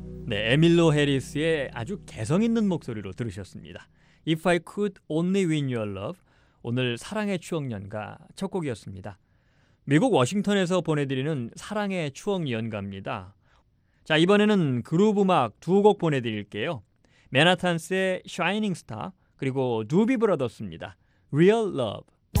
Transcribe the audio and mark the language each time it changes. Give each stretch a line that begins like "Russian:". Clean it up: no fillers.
Korean: 에밀로 해리스의 아주 개성 있는 목소리로 들으셨습니다.
English: If I could only win your love.
Korean: 오늘 사랑의 추억연가 첫 곡이었습니다. 미국 워싱턴에서 보내드리는 사랑의 추억연가입니다. 자, 이번에는 그룹 음악 두 곡 보내드릴게요. 맨하탄스의 Shining Star 그리고 두비 브라더스입니다. Real Love.